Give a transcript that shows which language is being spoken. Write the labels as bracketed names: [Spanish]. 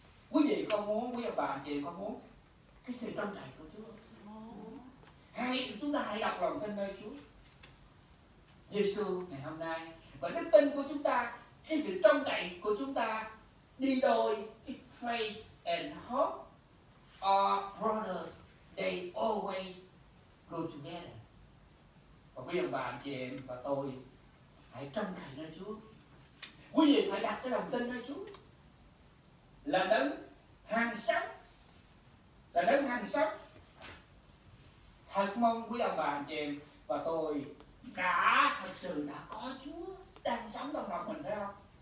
[Vietnamese] Quý vị có muốn, quý ông bà chị có muốn cái sự trông cậy của Chúa? Hay chúng ta hãy đọc lòng tin nơi Chúa Giêsu ngày hôm nay, và đức tin của chúng ta, cái sự trông cậy của chúng ta đi đôi. [English] Faith and hope are brothers, they always go together. [Vietnamese] Và quý ông bà chị em và tôi hãy trông cậy nơi Chúa. Quý vị phải đặt cái lòng tin nơi Chúa là đấng hàng sống, là đấng hàng sống. Thật mong quý ông bà anh chị em và tôi đã thật sự đã có Chúa đang sống trong lòng mình, phải không?